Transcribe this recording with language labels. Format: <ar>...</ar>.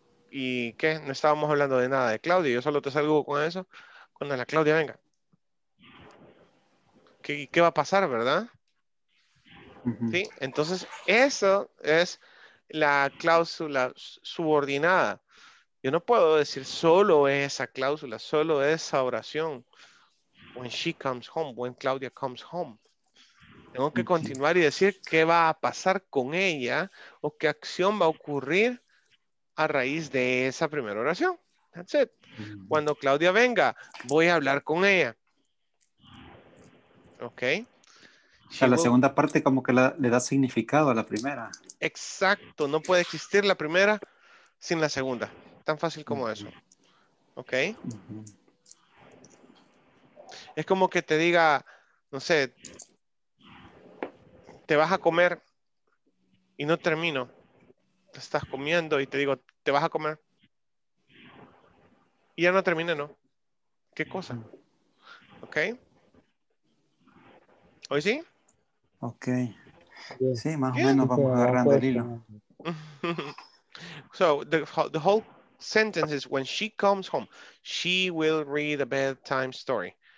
<es>¿Y qué? No estábamos hablando de nada de Claudia, yo solo te salgo con eso, cuando la Claudia venga. ¿Qué va a pasar, verdad? Uh-huh. Sí, entonces eso es la cláusula subordinada. Yo no puedo decir solo esa cláusula, solo esa oración.</es> <en>When she comes home, when Claudia comes home.</en> <es>Tengo que continuar y decir qué va a pasar con ella o qué acción va a ocurrir a raíz de esa primera oración.</es> <en>That's it.</en> <es>Cuando Claudia venga, voy a hablar con ella. Ok. O sea, la segunda parte como que le da significado a la primera. Exacto. No puede existir la primera sin la segunda. Tan fácil como eso. Ok. Es como que te diga, no sé, te vas a comer y no termino. Te estás comiendo y te digo, te vas a comer. Y ya no termina, ¿no? ¿Qué cosa? Ok. ¿Hoy sí? Ok. Sí, más o menos vamos agarrando el hilo.</es> <en>So, the whole sentence is when she comes home, she will read a bedtime story.</en>